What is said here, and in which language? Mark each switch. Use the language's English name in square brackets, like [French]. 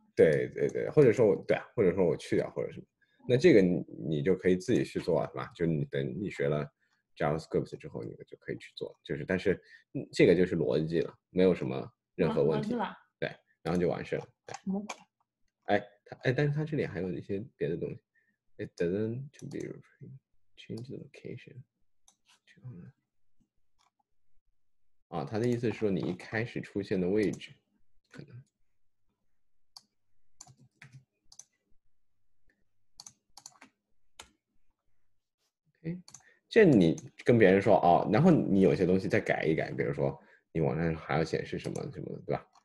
[Chinese] 对对对，或者说对、啊，或者说我去掉或者什么，那这个你就可以自己去做，是吧？就你等你学了JavaScript 之后你就可以去做，就是但是这个就是逻辑了，没有什么任何问题、啊、对，然后就完事了。哎，但是他这里还有一些别的东西。 [English] It doesn't to be change the location。 [Chinese] 啊，他的意思是说你一开始出现的位置可能OK。这你跟别人说哦，然后你有些东西再改一改，比如说你网站还要显示什么什么的，对吧？